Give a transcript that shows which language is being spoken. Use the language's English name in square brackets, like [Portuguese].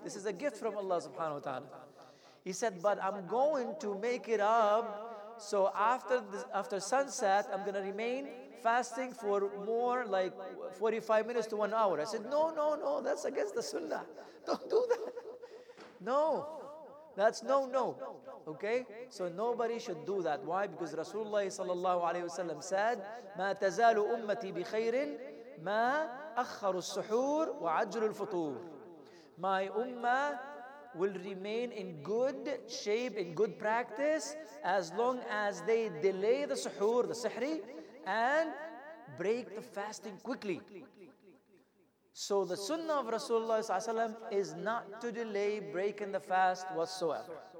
[English] This is a gift from Allah subhanahu wa ta'ala. He said, but I'm going to make it up, so after sunset, I'm going to remain fasting for more like 45 minutes to 1 hour. I said, no, that's against the sunnah. Don't do that. No, that's no. Okay? So nobody should do that. Why? Because Rasulullah sallallahu alayhi wasallam said, [Arabic] مَا تَزَالُ أُمَّتِي بِخَيْرٍ مَا أَخَّرُ السُّحُورِ وَعَجْرُ الْفُطُورِ. [English] My ummah will remain in good shape, in good practice, as long as they delay the suhoor, the sihri, and break the fasting quickly. So the sunnah of Rasulullah ﷺ is not to delay breaking the fast whatsoever.